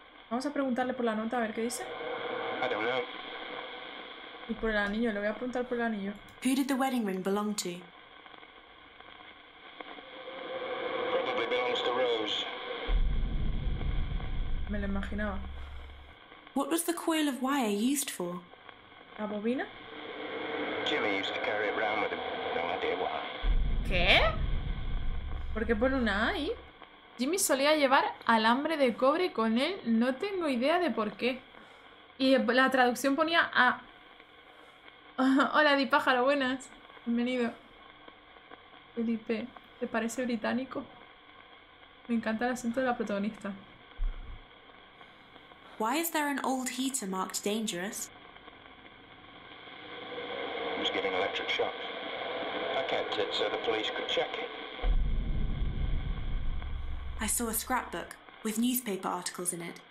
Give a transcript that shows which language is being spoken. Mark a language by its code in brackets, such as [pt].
[es] Vamos a preguntarle por la nota, a ver qué dice. Y por el anillo, le voy a preguntar por el anillo. [en] Who did the wedding ring belong to? Probably belongs to Rose. [es] Me lo imaginaba. [en] What was the coil of wire used for? [es] ¿La bobina? [en] Jimmy used to carry it around with him. No idea why. [es] ¿Qué? ¿Por qué pone una A ahí? Jimmy solía llevar alambre de cobre con él, no tengo idea de por qué. Y la traducción ponía A. Hola, Di Pájaro, buenas. Bienvenido. Felipe, ¿te parece británico? Me encanta el acento de la protagonista. [en] Why is there an old heater marked dangerous? He was getting electric shocks. I kept it so the police could check it. I saw a scrapbook with newspaper articles in it.